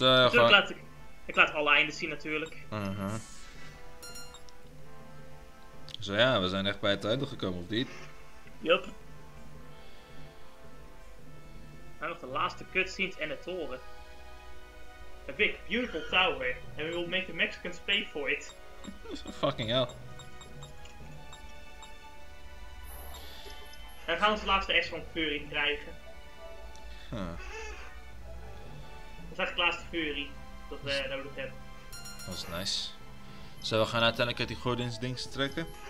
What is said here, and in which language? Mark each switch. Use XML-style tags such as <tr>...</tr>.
<nl>Gewoon... Ik laat alle einden zien natuurlijk. Zo ja, we zijn echt bij het einde gekomen, of niet? Yup. Nou nog de laatste cutscenes en de toren.</nl> <en>A big, beautiful tower. And we will make the Mexicans pay for it. Fucking hell.</en> <nl>En we gaan onze laatste S-Rank Fury krijgen. Dat is eigenlijk de laatste Fury. Dat we nodig hebben. Dat is nice. Zullen we gaan uiteindelijk uit die Gordon's dings trekken?</nl>